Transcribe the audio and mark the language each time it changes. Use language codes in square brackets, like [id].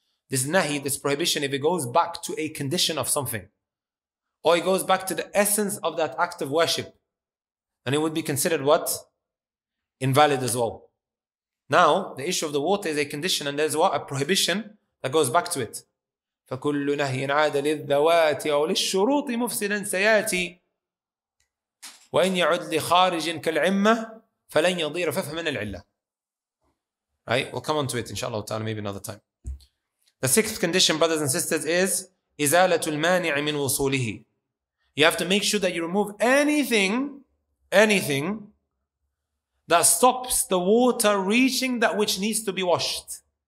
[en] This nahi, this prohibition, if it goes back to a condition of something, or it goes back to the essence of that act of worship, then it would be considered what? Invalid as well. Now, the issue of the water is a condition, and there's what? A prohibition that goes back to it. [ar] فكل نهي عاد للذوات أو للشروط مفسدا سياتي وإن يعد لخارج كالعمة فلن يضير ففهم من العلة. [en] Right, we'll come on to it inshallah ta'ala maybe another time. The sixth condition, brothers and sisters, is [ar] إزالة المانع من وصوله. [en] You have to make sure that you remove anything that stops the water reaching that which needs to be washed.